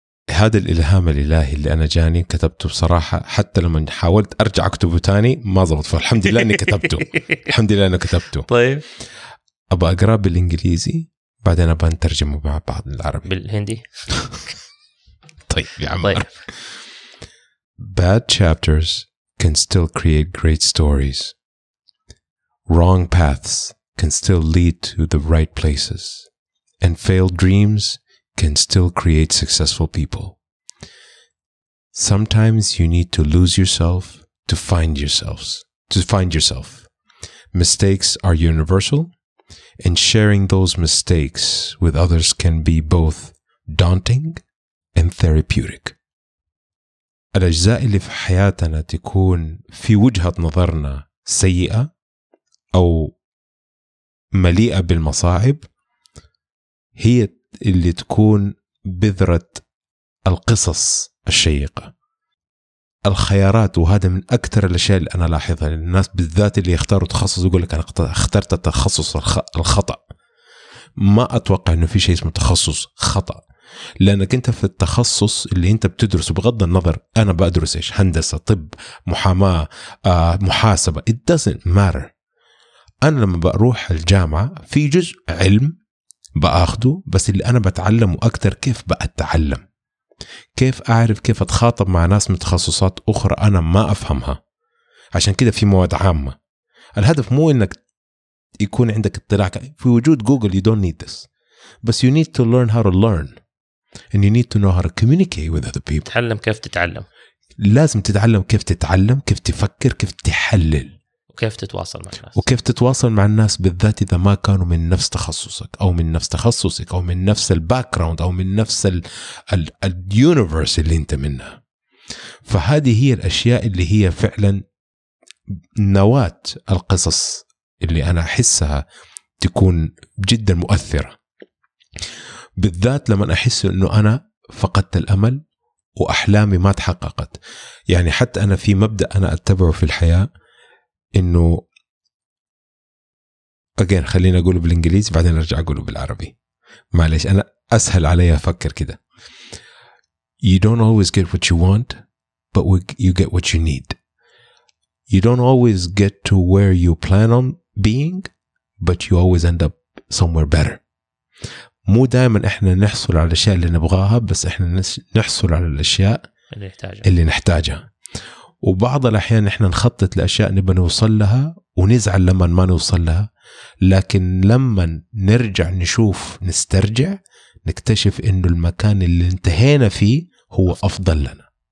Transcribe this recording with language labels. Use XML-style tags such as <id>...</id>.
<ar>هذا الإلهام الإلهي اللي أنا جاني كتبته بصراحة، حتى لما حاولت أرجع أكتبه تاني ما ضبط، فالحمد لله أني كتبته. الحمد لله أني كتبته. طيب أبا أقرأ بالإنجليزي بعدين أبا نترجمه مع بعض العربي بالهندي. طيب يا عمر. طيب.</ar> <en>Bad chapters can still create great stories. Wrong paths can still lead to the right places. And failed dreams can still create successful people. Sometimes you need to lose yourself to find yourself. Mistakes are universal, and sharing those mistakes with others can be both daunting and therapeutic.</en> <ar>الأجزاء اللي في حياتنا تكون في وجهة نظرنا سيئة أو مليئة بالمصاعب هي اللي تكون بذرة القصص الشيقة. الخيارات، وهذا من أكثر الأشياء اللي أنا لاحظها، الناس بالذات اللي يختاروا تخصص يقول لك أنا اخترت التخصص الخطأ. ما أتوقع أنه في شيء اسمه تخصص خطأ، لأنك أنت في التخصص اللي أنت بتدرس بغض النظر أنا بأدرس إيش، هندسة، طب، محاماة، محاسبة،</ar> <en>it doesn't matter.</en> <ar>أنا لما بروح الجامعة في جزء علم بأخده، بس اللي أنا بتعلمه أكتر كيف بأتعلم، كيف أعرف كيف أتخاطب مع ناس من تخصصات أخرى أنا ما أفهمها. عشان كده في مواد عامة. الهدف مو إنك يكون عندك اطلاع، في وجود جوجل</ar> <en>you don't need this،</en> <ar>بس</ar> <en>you need to learn how to learn and you need to know how to communicate with other people.</en> <ar>تعلم كيف تتعلم، لازم تتعلم كيف تتعلم، كيف تفكر، كيف تحلل، وكيف تتواصل مع الناس، وكيف تتواصل مع الناس بالذات إذا ما كانوا من نفس تخصصك أو من نفس تخصصك أو من نفس الباكراوند أو من نفس اليونيفرس اللي أنت منها. فهذه هي الأشياء اللي هي فعلا نواة القصص اللي أنا أحسها تكون جدا مؤثرة، بالذات لما أحس أنه أنا فقدت الأمل وأحلامي ما تحققت. يعني حتى أنا في مبدأ أنا أتبعه في الحياة إنه again خليني أقوله بالإنجليزي بعدين أرجع أقوله بالعربي، معلش أنا أسهل علي أفكر كده.</ar> <en>You don't always get what you want, but you get what you need. You don't always get to where you plan on being, but you always end up somewhere better.</en> <ar>مو دائما إحنا نحصل على الأشياء اللي نبغاها، بس إحنا نحصل على الأشياء اللي نحتاجها. وبعض الأحيان إحنا نخطط لأشياء نبى نوصل لها ونزعل لما ما نوصل لها، لكن لما نرجع نشوف نسترجع نكتشف إنه المكان اللي انتهينا فيه هو أفضل لنا.</ar>